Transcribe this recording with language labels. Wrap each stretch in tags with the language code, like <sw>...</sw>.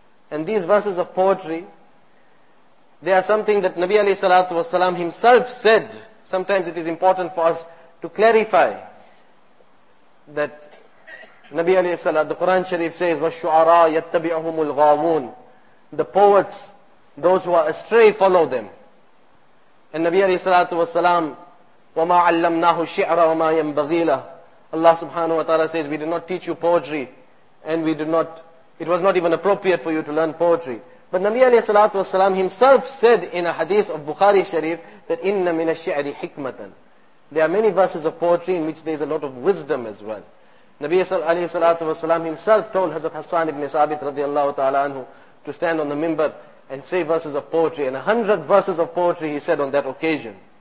<en>And these verses of poetry, they are something that Nabi alayhi salatu wasalam himself said. Sometimes it is important for us to clarify that Nabi alayhi salatu, the Quran Sharif says,</en> <ar>وَالشُعَرَى يَتَّبِعُهُمُ الْغَاوُونَ.</ar> <en>The poets, those who are astray, follow them. And Nabi alayhi salatu wasalam,</en> <ar>وَمَا عَلَّمْنَاهُ الشِعْرَ وَمَا يَنْبَغِي لَهُ.</ar> <en>Allah subhanahu wa ta'ala says, we did not teach you poetry and we did not, it was not even appropriate for you to learn poetry. But Nabi alayhi salatu wasalam himself said in a hadith of Bukhari Sharif that</en> <ar>inna min ash-shi'ri hikmatan.</ar> <en>There are many verses of poetry in which there is a lot of wisdom as well. Nabi alayhi salatu wasalam himself told Hazrat Hassan ibn Sabit radiallahu ta'ala anhu to stand on the minbar and say verses of poetry, and 100 verses of poetry he said on that occasion.</en>